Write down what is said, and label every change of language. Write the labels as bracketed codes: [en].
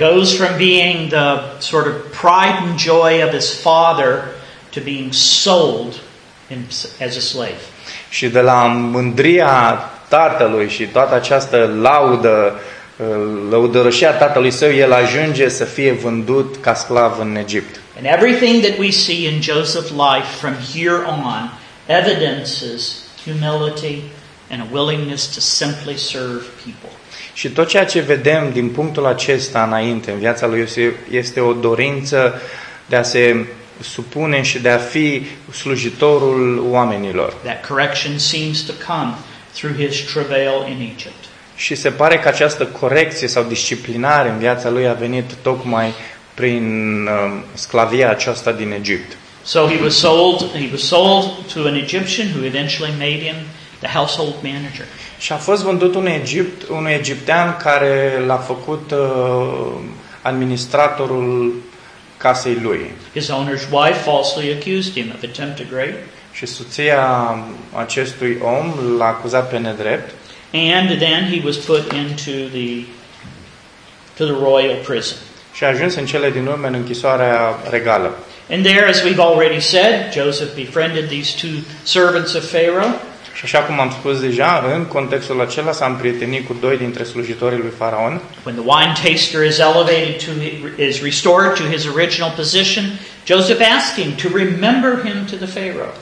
[en] He goes from being the sort of pride and joy of his father to being sold as a slave. [ro] Și de la mândria tatălui și toată această laudă, lăudărășia tatălui său, el ajunge să fie vândut ca sclav în Egipt. [en] And everything that we see in Joseph's life from here on evidences humility and a willingness to simply serve people. [ro] Și tot ceea ce vedem din punctul acesta înainte în viața lui Iosif este o dorință de a se supune și de a fi slujitorul oamenilor. [en] That correction seems to come through his travail in Egypt. [ro] Și se pare că această corecție sau disciplinare în viața lui a venit tocmai prin sclavia aceasta din Egipt. [en] So he was sold to an Egyptian who eventually made him the household manager. [ro] Și a fost vândut unui egiptean care l-a făcut administratorul casei lui. [en] His owner's wife falsely accused him of attempted rape. [ro] Și soția acestui om l-a acuzat pe nedrept. [en] And then he was put into the royal prison. [ro] Și a ajuns în cele din urmă în închisoarea regală. [en] And there, as we've already said, Joseph befriended these two servants of Pharaoh. [ro] Și așa cum am spus deja, în contextul acela s-a împrietenit cu doi dintre slujitorii lui Faraon. [en] When the wine taster is restored to his original position, Joseph asks him to remember him to the Pharaoh.